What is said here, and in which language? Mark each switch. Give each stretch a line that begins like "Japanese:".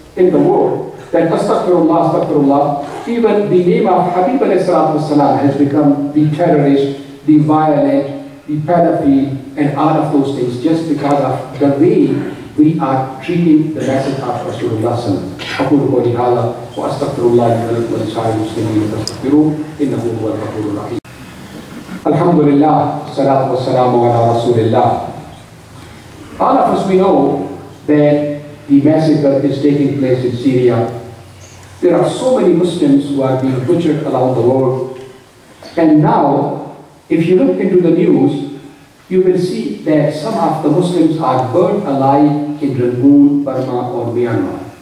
English: in the world, that astaghfirullah, astaghfirullah, even the name of Habib alayhi salam has become the terrorist, the violent, the pedophile, and all of those things just because of the way we are treating the message of Rasulullah sallallahu alayhi wa sallam.
Arabic: وأستغفر الله من كل شيء مسلمين تستغفرون إنه هو الغفور الرحيم الحمد لله والصلاة والسلام على رسول الله.
English: All of us, we know that the massacre is taking place in Syria. There are so many Muslims who are being butchered around the world. And now, if you look into the news, you will see that some of the Muslims are burnt alive in Rangoon, Burma or Myanmar.